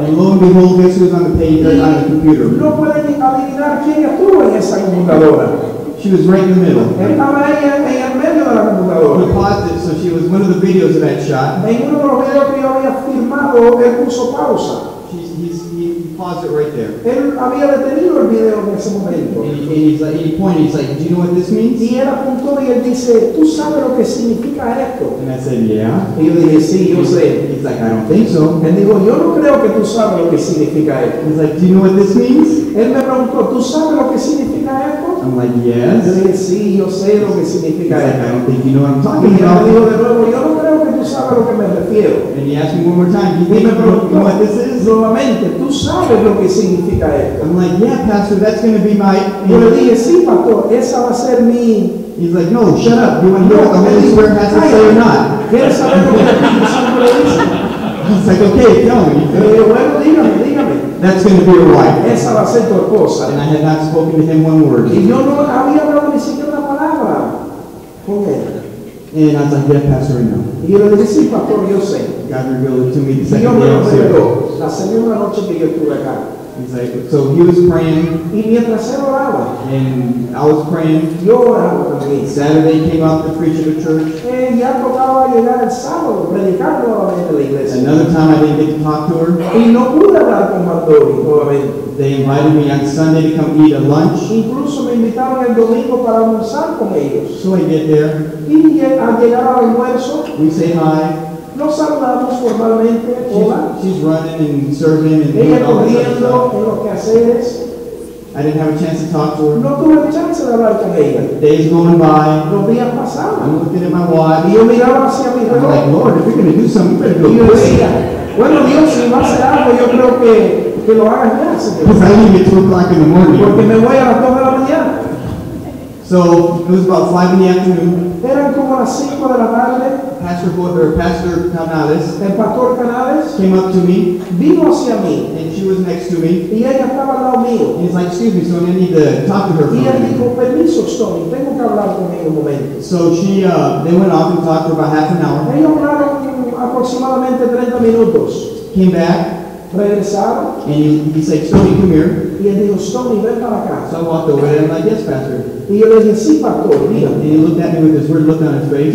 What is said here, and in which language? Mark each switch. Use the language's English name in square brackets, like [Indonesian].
[English] And lo and behold, guess who was on the page or on the computer? [Spanish] No puede adivinar quién estuvo en esa computadora. [English] She was right in the middle. [Spanish] Estaba ella en el medio de la computadora. [English] He paused it, so she was one of the videos of that shot. [Spanish] En uno de los videos que yo había filmado, él puso pausa. [English] He paused it right there. [Spanish] Él había detenido el video en ese momento. [English] And he's like, do you know what this means? [Spanish] Y él apuntó y él dice, ¿tú sabes lo que significa esto? [English] And I said, yeah. [Spanish] Y yo dije, sí, yo sé. [English] He's like, I don't think so. [Spanish] Él dijo, yo no creo que tú sabes lo que significa esto. [English] He's like, do you know what this means? [Spanish] Él me preguntó, ¿tú sabes lo que significa esto? [English] I'm like, yes. [Spanish] Yo dije, sí, yo sé lo que significa esto. [English] He's like, I don't think you know what I'm talking about. [Spanish] Y él dijo de nuevo, yo no creo que tú sabes lo que me refiero. [English] And he asked me one more time, do you think you know what this is? [Spanish] Nuevamente, ¿tú sabes lo que significa esto? [English] I'm like, yeah, pastor, that's going to be my... [Spanish] Yo le dije, sí, pastor, esa va a ser mi... [English] He's like, no, shut up. You want to know what the Holy Spirit has to say or not? [Spanish] ¿Quieres saber lo que el Espíritu Santo le dice? [English] He's like, okay, tell me. [Spanish] Bueno, dígame. [English] That's going to be your wife. [Spanish] Esa va a ser tu esposa. [English] And I had not spoken to him one word. [Spanish] Y yo no había hablado ni siquiera una palabra. [English] Okay. And I was like, yeah, pastor, no. [Spanish] Y yo le dije, sí, pastor, yo sé. [English] God revealed it to me the second day I was here. [Spanish] La segunda noche que yo estuve acá. [English] He's like, so he was praying. [Spanish] Y mientras él oraba. [English] And I was praying. [Spanish] Yo oraba también. [English] Saturday came out to preach at a church. [Spanish] Ya tocaba llegar el sábado predicando nuevamente a la iglesia. [English] Another time I didn't get to talk to her. [Spanish] Y no pude hablar con Mardolly nuevamente. [English] They invited me on Sunday to come eat a lunch. [Spanish] Incluso me invitaron el domingo para almorzar con ellos. [English] So I get there. [Spanish] Y al llegar al almuerzo. [English] We say hi. [Spanish] Nos saludamos formalmente. Hola. [English] She's running and serving and [Spanish] ella corriendo en los quehaceres. [English] I didn't have a chance to talk to her. [Spanish] No tuve chance de hablar con ella. [English] Days going by. [Spanish] Los días pasaban. [English] I'm looking at my watch. [Spanish] Y yo miraba hacia mi reloj. [English] I'm like, Lord, if you're going to do something, you better [Spanish] go. Y yo decía, bueno, Dios, si va a hacer algo, yo creo que lo haga ya, señor. [English] Because I leave at 2 o'clock in the morning. [Spanish] Porque me voy a las 2 de la mañana. [English] So it was about 5 in the afternoon. [Spanish] Eran como las 5 de la tarde. [English] Pastor Canales. [Spanish] El pastor Canales [English] came up to me. [Spanish] Vino hacia mí. [English] And she was next to me. [Spanish] Y ella estaba al lado mío. [English] He's like, excuse me, so I need to talk to her for a minute. [Spanish] Y ella dijo, permiso, Stoney, tengo que hablar con ella un momento. [English] So they went off and talked for about half an hour. [Spanish] Ellos hablaron aproximadamente 30 minutos. [English] Came back. [Spanish] Regresaron. [English] And he said, Stoney, come here. [Spanish] Y él dijo, Stoney, ven para acá. [English] So I walked over and I'm like, yes, pastor. [Spanish] Y yo le dije, sí, pastor, mira. [English] And he looked at me with this weird look on his face.